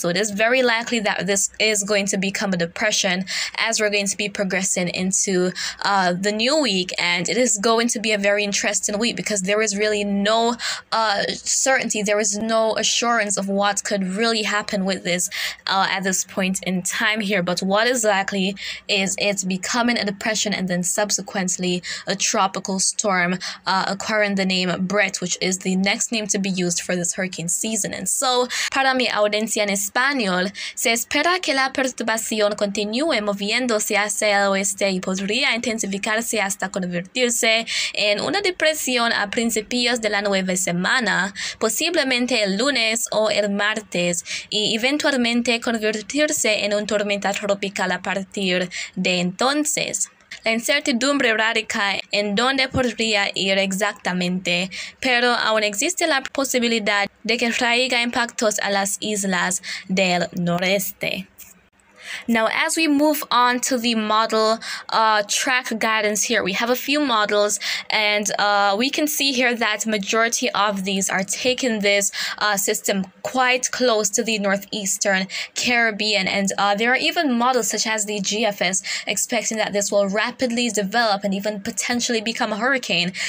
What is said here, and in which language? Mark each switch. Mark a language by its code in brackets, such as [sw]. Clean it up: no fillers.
[en] So it is very likely that this is going to become a depression as we're going to be progressing into the new week, and it is going to be a very interesting week because there is really no certainty, there is no assurance of what could really happen with this at this point in time here. But what is likely is it's becoming a depression and then subsequently a tropical storm, acquiring the name BRET, which is the next name to be used for this hurricane season. And so [es] para mi audiencia en español, se espera que la perturbación continúe moviéndose hacia el oeste y podría intensificarse hasta convertirse en una depresión a principios de la nueva semana, posiblemente el lunes o el martes, y eventualmente convertirse en una tormenta tropical a partir de entonces. La incertidumbre radica en dónde podría ir exactamente, pero aún existe la posibilidad de que traiga impactos a las islas del noreste. [en] Now, as we move on to the model track guidance here, we have a few models, and we can see here that majority of these are taking this system quite close to the northeastern Caribbean. And there are even models such as the GFS expecting that this will rapidly develop and even potentially become a hurricane.